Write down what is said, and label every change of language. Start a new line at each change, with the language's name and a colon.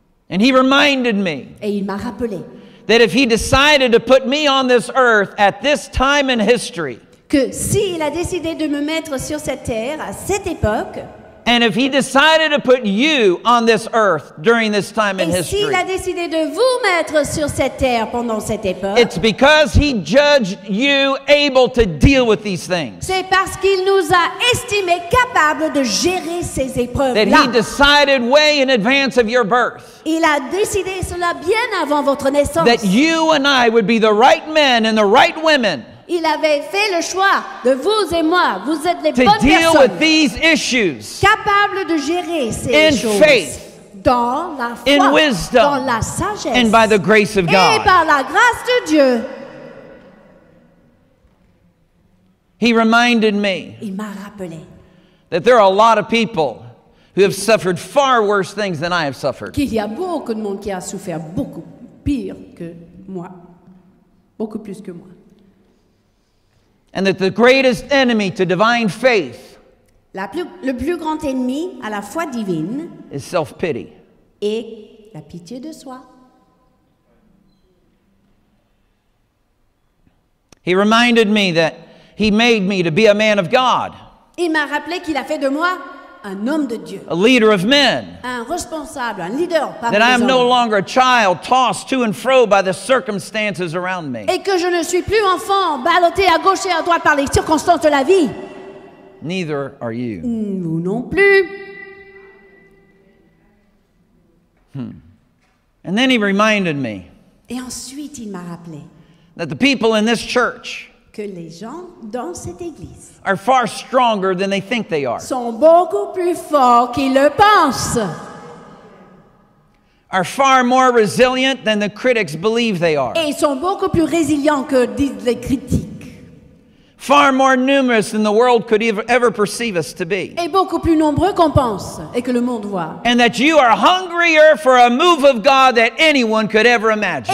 English: And he reminded me
French: et il m'a rappelé
English: that if he decided to put me on this earth at this time in history,
French: que si il a décidé de me mettre sur cette terre à cette époque,
English: and if he decided to put you on this earth during this time in history,
French: et s'il a décidé de vous mettre sur cette terre pendant cette époque,
English: it's because he judged you able to deal with these things.
French: C'est parce qu'il nous a estimé capable de gérer ces épreuves-là.
English: That he decided way in advance of your birth.
French: Il a décidé cela bien avant votre naissance.
English: That you and I would be the right men and the right women.
French: Il avait fait le choix de vous et moi. Vous êtes les
English: to
French: bonnes
English: deal
French: personnes
English: with these issues
French: capables de gérer ces
English: in
French: choses
English: faith,
French: dans la foi,
English: in wisdom,
French: dans la sagesse
English: and by the grace of God.
French: Et par la grâce de Dieu.
English: He reminded me
French: il m'a rappelé
English: that there are a lot of people who have suffered far worse things than I have suffered.
French: Qu'il y a beaucoup de monde qui a souffert beaucoup pire que moi. Beaucoup plus que moi.
English: And that the greatest enemy to divine faith
French: le plus grand ennemi à la foi divine
English: is self-pity.
French: Et la pitié de soi.
English: He reminded me that he made me to be a man of God.
French: Il m'a rappelé qu'il a fait de moi un homme de Dieu.
English: A leader of men.
French: Un responsable, un leader parmi les
English: That I am no longer a child tossed to and fro by the circumstances around me.
French: Et que je ne suis plus enfant ballotté à gauche et à droite par les circonstances de la vie.
English: Neither are you.
French: Vous non plus.
English: And then he reminded me.
French: Et ensuite il m'a rappelé.
English: That the people in this church
French: que les gens dans cette église
English: are far stronger than they think they are.
French: Sont beaucoup plus forts qu'ils le pensent.
English: Are far more resilient than the critics believe they are.
French: Et ils sont beaucoup plus résilients que disent les critiques.
English: Far more numerous than the world could ever perceive us to be.
French: Et beaucoup plus nombreux qu'on pense et que le monde voit.
English: And that you are hungrier for a move of God than anyone could ever imagine.